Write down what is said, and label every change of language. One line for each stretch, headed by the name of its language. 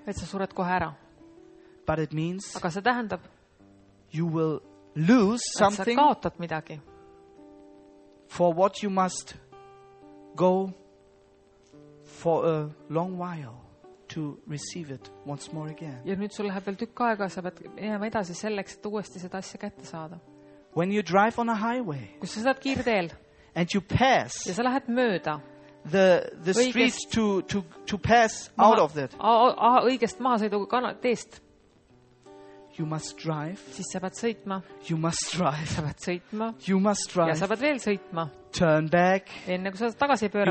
Estonian: Et sa suret kohe ära.
English: But it means
Estonian: aga see tähendab,
English: you will lose something
Estonian: et sa kaotad midagi.
English: For what you must go for a long while to receive it once more again.
Estonian: Ja nüüd sul läheb veel tükk aega, sa pead jääma edasi selleks, et uuesti seda asja kätte saada.
English: When you drive on a highway,
Estonian: kus sa saad kiirteel,
English: and you pass
Estonian: ja sa lähed mööda
English: the streets to pass
Estonian: maha,
English: out of that
Estonian: õigest maha sõidu teest.
English: You must drive,
Estonian: siis sa pead sõitma.
English: You must drive,
Estonian: sa pead sõitma.
English: You must drive,
Estonian: ja sa pead veel sõitma.
English: Turn back,
Estonian: enne kui sa tagasi pöörata.